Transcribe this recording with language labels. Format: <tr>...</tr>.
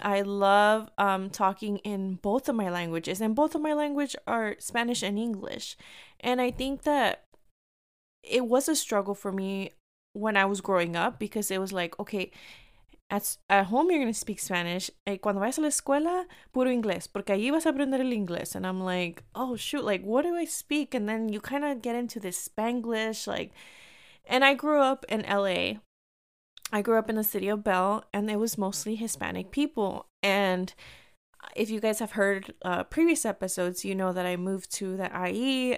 <en>I love talking in both of my languages. And both of my languages are Spanish and English. And I think that it was a struggle for me when I was growing up because it was like, okay, at home you're going to speak Spanish.</en> <es>Cuando vayas a la escuela, puro inglés, porque allí vas a aprender el inglés.</es> <en>And I'm like, oh, shoot, like, what do I speak? And then you kind of get into this Spanglish. Like, and I grew up in L.A. I grew up in the city of Bell, and it was mostly Hispanic people. And if you guys have heard previous episodes, you know that I moved to the IE.</en>